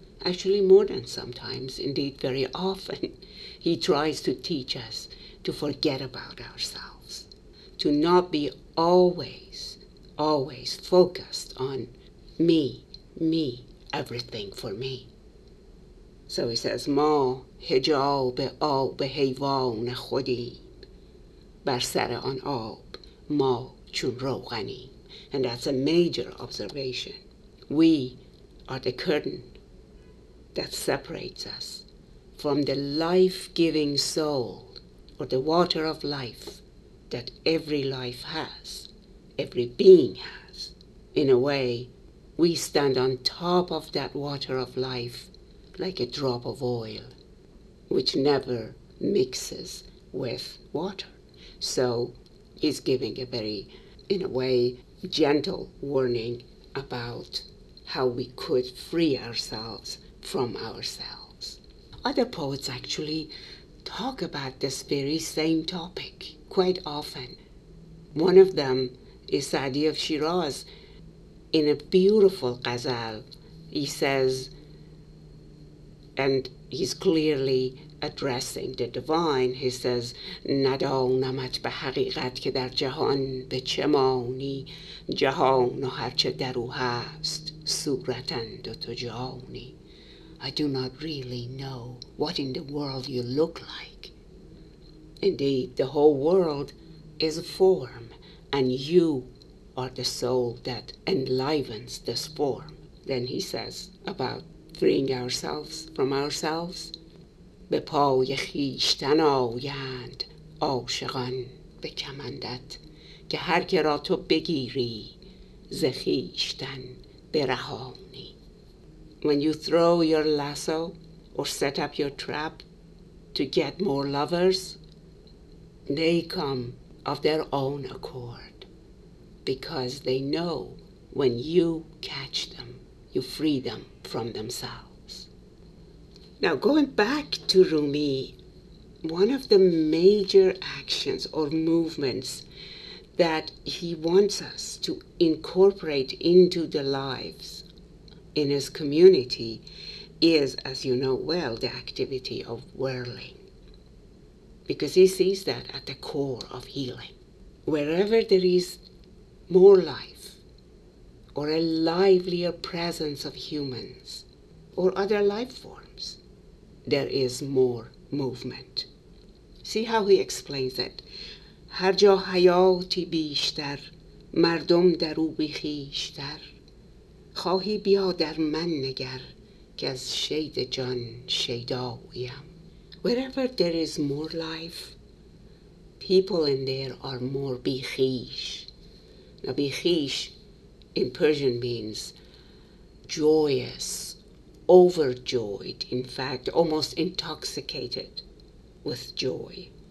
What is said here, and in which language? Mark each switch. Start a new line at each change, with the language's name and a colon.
English: Actually, more than sometimes, indeed, very often, he tries to teach us to forget about ourselves, to not be always, always focused on me, me, everything for me. So he says,
Persian: ما حجاب آب حیوان خودیم، بر سر آن آب ما چون روغنیم.
English: And that's a major observation. We are the curtain that separates us from the life-giving soul or the water of life that every life has, every being has. In a way, we stand on top of that water of life like a drop of oil, which never mixes with water. So he's giving a very, in a way, gentle warning about how we could free ourselves from ourselves. Other poets actually talk about this very same topic quite often. One of them is Sa'di of Shiraz. In a beautiful ghazal, he says, and he's clearly addressing the divine. He says,
Persian: ندانمت به حقیقت که در جهان به چه مانی، جهان و هرچه در او هست صورتند و تو جانی.
English: I do not really know what in the world you look like. Indeed, the whole world is a form, and you are the soul that enlivens this form. Then he says about freeing ourselves from ourselves.
Persian: به پای خیشتن آیند عاشقان به کمندت، که هر که را تو بگیری ز خیشتن برهانی.
English: When you throw your lasso or set up your trap to get more lovers, they come of their own accord, because they know when you catch them, you free them from themselves. Now, going back to Rumi, one of the major actions or movements that he wants us to incorporate into the lives in his community is, as you know well, the activity of whirling. Because he sees that at the core of healing. Wherever there is more life or a livelier presence of humans, or other life forms, there is more movement. See how he explains it.
Persian: هر جا حیاتی بیشتر، مردم در او بیخیشتر. خواهی بیا در من نگر که از شید جان شیدایم.
English: Wherever there is more life, people in there are more بیخیش. Now بیخیش in Persian means joyous, overjoyed, in fact, almost intoxicated with joy.